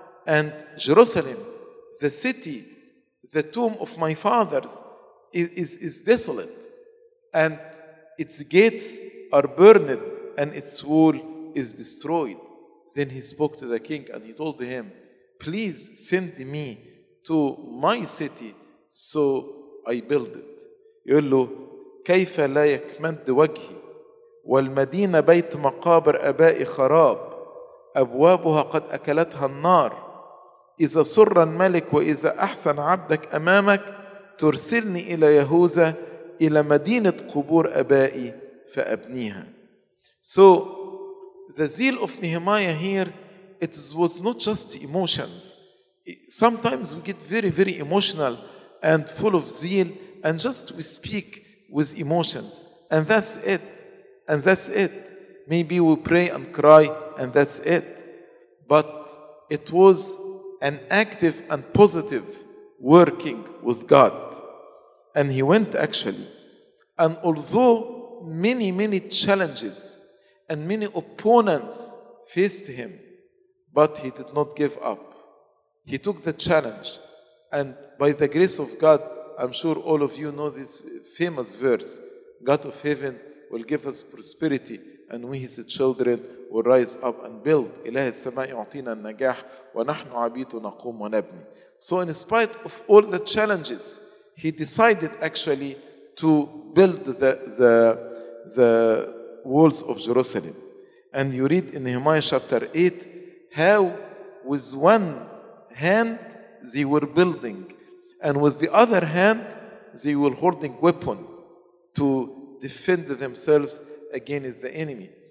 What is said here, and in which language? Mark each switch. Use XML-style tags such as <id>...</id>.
<en>And Jerusalem, the city, the tomb of my fathers, is desolate, and its gates are burned, and its wall is destroyed. Then he spoke to the king and he told him, please send me to my city so I build it.</en> <ar>يقول له كيف لا يكمد وجهي والمدينة بيت مقابر أبائي خراب أبوابها قد أكلتها النار. إذا سر الملك وإذا أحسن عبدك أمامك ترسلني إلى يهوذا إلى مدينة قبور أبائي فأبنيها.</ar> <en>So the zeal of Nehemiah here, it was not just emotions. Sometimes we get very, very emotional and full of zeal, and just we speak with emotions, and that's it. And that's it. Maybe we pray and cry, and that's it. But it was an active and positive working with God. And he went, actually. And although many, many challenges and many opponents faced him, but he did not give up. He took the challenge. And by the grace of God, I'm sure all of you know this famous verse, God of heaven will give us prosperity, and we, his children, will rise up and build.</en> <ar>إله السماء يعطينا النجاح ونحن عبيد نقوم ونبني.</ar> <en>So in spite of all the challenges, he decided actually to build the walls of Jerusalem. And you read in Nehemiah chapter 8 how with one hand they were building, and with the other hand they were holding weapon to defend themselves against the enemy.</en>